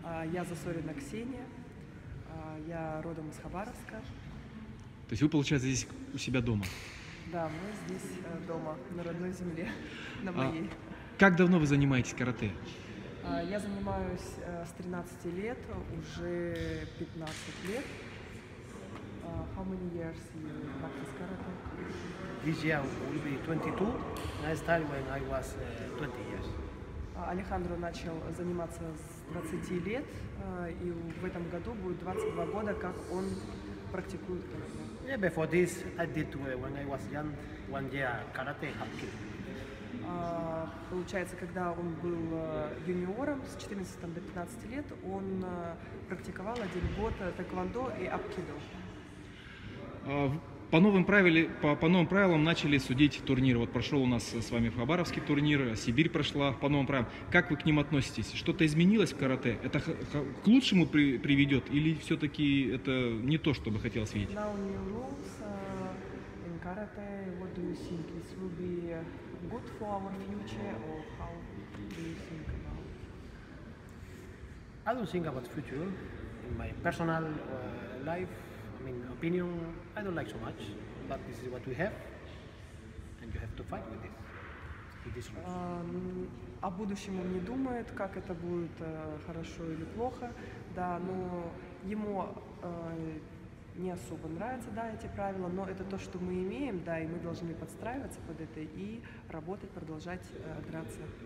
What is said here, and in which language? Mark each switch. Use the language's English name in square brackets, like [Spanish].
[Russian] Я Засорина Ксения, я родом из Хабаровска. То есть вы, получается, здесь у себя дома? Да, мы здесь дома, на родной земле, на моей. Как давно вы занимаетесь карате? Я занимаюсь с 13 лет, уже 15 лет. [English] How many years you practice karate? This year will be 22. Last time when I was 20 years. [Russian] Алехандро начал заниматься с 20 лет, и в этом году будет 22 года, как он практикует карате. [English] Yeah, before this I did when I was young, one year karate hapkido. [Russian] Получается, когда он был юниором, с 14 до 15 лет, он практиковал один год тэквондо и апкидо. По новым правилам начали судить турниры. Вот прошел у нас с вами Хабаровский турнир, Сибирь прошла по новым правилам. Как вы к ним относитесь? Что-то изменилось в карате? Это к лучшему приведет или все-таки это не то, что бы хотелось видеть? [English] Now new rules in karate, what do you think? This will be good for our future or how do you think about? I don't think about future in my personal life. I mean, opinion, I don't like so much, but this is what we have, and you have to fight with this. [Russian] О будущем он не думает, как это будет, хорошо или плохо, да, но ему не особо нравятся, да, эти правила, но это то, что мы имеем, да, и мы должны подстраиваться под это и работать, продолжать драться.